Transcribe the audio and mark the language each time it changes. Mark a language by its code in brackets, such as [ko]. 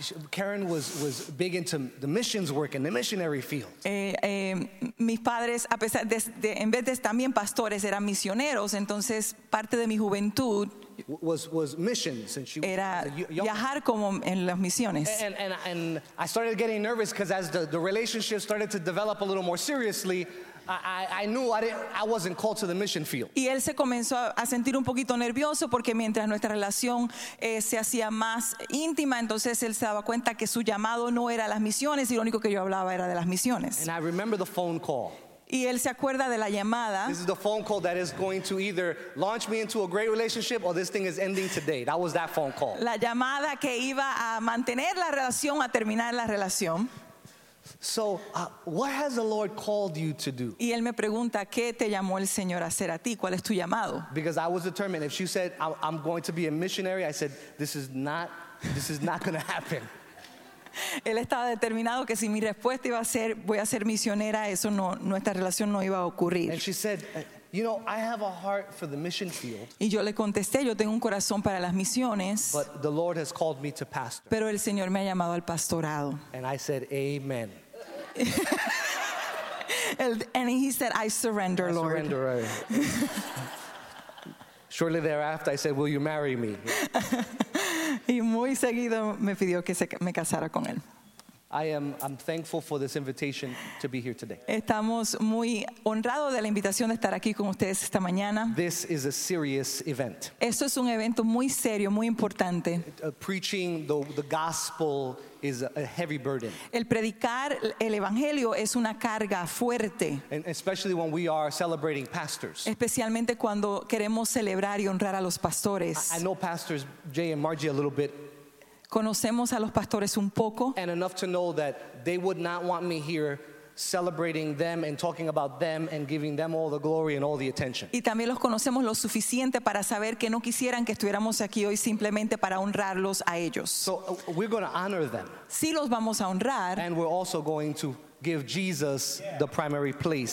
[en] Karen was big into the missions work in the missionary field. [es] Mis padres, a pesar de en vez de también pastores, eran misioneros, entonces parte de mi juventud [en] was missions, and she [es] era viajar como en las misiones. [en] And I started getting nervous because as the relationship started to develop a little more seriously, I knew I wasn't called to the mission field. [es] Y él se comenzó a sentir un poquito nervioso porque mientras nuestra relación se hacía más íntima, entonces él se daba cuenta que su llamado no era las misiones y lo único que yo hablaba era de las misiones. [en] And I remember the phone call. [es] Y él se acuerda de la llamada. [en] This is the phone call that is going to either launch me into a great relationship or this thing is ending today. That was that phone call. [es] La llamada que iba a mantener la relación, a terminar la relación. [en] So, what has the Lord called you to do? [es] Y él me pregunta, ¿qué te llamó el Señor a hacer a ti? ¿Cuál es tu llamado? [en] Because I was determined. If she said, I'm going to be a missionary, I said, this is not going to happen. [es] Él estaba determinado que si mi respuesta iba a ser, voy a ser misionera, eso no, nuestra relación no iba a ocurrir. [en] And she said, you know, I have a heart for the mission field. [es] Y yo le contesté, yo tengo un corazón para las misiones. [en] But the Lord has called me to pastor. [es] Pero el Señor me ha llamado al pastorado. [en] And I said, amen. And he said, I surrender, Lord. I surrender, right. Shortly thereafter, I said, will you marry me? [es] Y muy seguido me pidió que me casara con él. [en] I'm thankful for this invitation to be here today. [es] Estamos muy honrados de la invitación de estar aquí con ustedes esta mañana. [en] This is a serious event. [es] Esto es un evento muy serio, muy importante. [en] Preaching the gospel is a heavy burden. [es] El predicar el evangelio es una carga fuerte. [en] And especially when we are celebrating pastors. [es] Especialmente cuando queremos celebrar y honrar a los pastores. [en] I know pastors Jay and Margie a little bit. [es] Conocemos a los pastores un poco. [en] And enough to know that they would not want me here celebrating them and talking about them and giving them all the glory and all the attention. [es] Y también los conocemos lo suficiente para saber que no quisieran que estuviéramos aquí hoy simplemente para honrarlos a ellos. [en] So we're going to honor them. [es] Sí los vamos a honrar. [en] And we're also going to give Jesus the primary place.